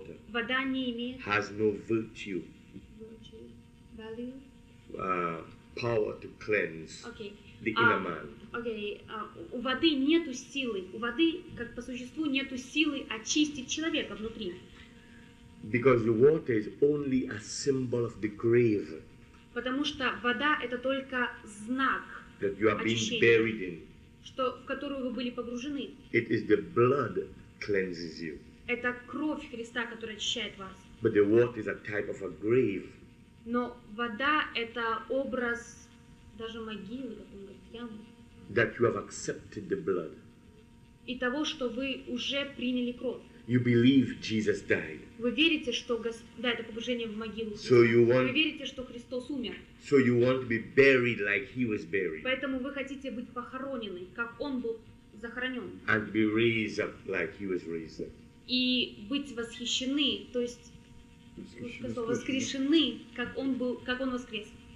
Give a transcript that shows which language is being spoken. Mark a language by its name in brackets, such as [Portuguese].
[Russian] Вода не имеет. [English] Has no virtue. Value. Power to cleanse. Okay. The inner man. [Russian] Okay. У воды нету силы. У воды, как по существу, нету силы очистить человека внутри. [English] Because the water is only a symbol of the grave. [Russian] Потому что вода это только знак. [English] That you are being buried in. [Russian] Что в которую вы были погружены. [English] It is the blood that cleanses you. [Russian] Это кровь Христа, которая очищает вас. [English] But the water is a type of a grave. [Russian] Но вода это образ даже могилы, как он говорит, ямы. [English] That you have accepted the blood. [Russian] И того, что вы уже приняли кровь. [English] You believe Jesus died. [Russian] Вы верите, что да, это погружение в могилу. [English] So you want. [Russian] Вы верите, что Христос умер. [English] So you want to be buried like He was buried. [Russian] Поэтому вы хотите быть похоронены, как Он был захоронен. [English] And be raised up like He was raised up. [Russian] И быть восхищены, то есть сказал, воскрешены, как Он был, как Он воскрес.